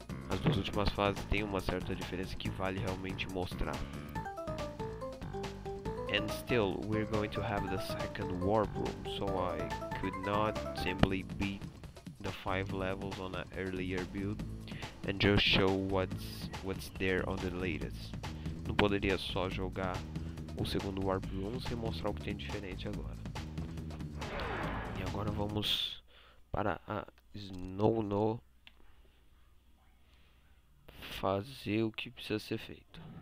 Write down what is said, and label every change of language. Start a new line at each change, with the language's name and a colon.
Portuguese: As duas últimas fases tem uma certa diferença que vale realmente mostrar.
English: And still, we're going to have the second warp room, so I could not simply beat the 5 levels on an earlier build and just show what's there on the latest.
Portuguese: Não poderia só jogar o segundo warp room sem mostrar o que tem diferente agora. E agora vamos para a Snow-No fazer o que precisa ser feito.